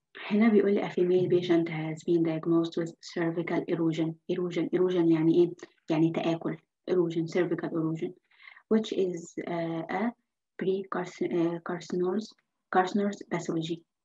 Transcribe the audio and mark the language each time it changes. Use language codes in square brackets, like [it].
[ar] هنا بيقول لي [en] a female patient has been diagnosed with cervical erosion. [ar] erosion، erosion يعني ايه؟ يعني تآكل. [en] erosion، cervical erosion which is a precarcinous pathology.